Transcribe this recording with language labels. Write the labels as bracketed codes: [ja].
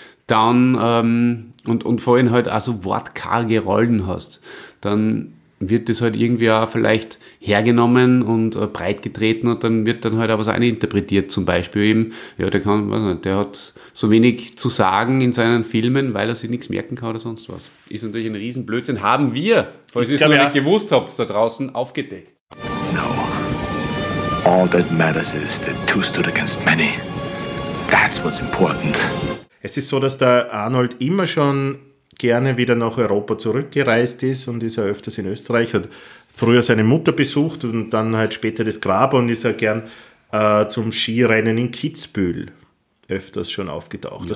[de] dann und vorhin halt auch so wortkarge Rollen hast, dann wird das halt irgendwie auch vielleicht hergenommen und breit getreten und dann wird dann halt auch was eininterpretiert, zum Beispiel eben, ja, der kann, weiß nicht, der hat so wenig zu sagen in seinen Filmen, weil er sich nichts merken kann oder sonst was. Ist natürlich ein Riesenblödsinn. Haben wir, falls ihr es noch nicht gewusst habt, da draußen aufgedeckt. [en] No. All that matters is that two stood against many. That's what's important. [de] Es ist so, dass der Arnold immer schon gerne wieder nach Europa zurückgereist ist und ist ja öfters in Österreich, hat früher seine Mutter besucht und dann halt später das Grab und ist ja gern zum Skirennen in Kitzbühel öfters schon aufgetaucht.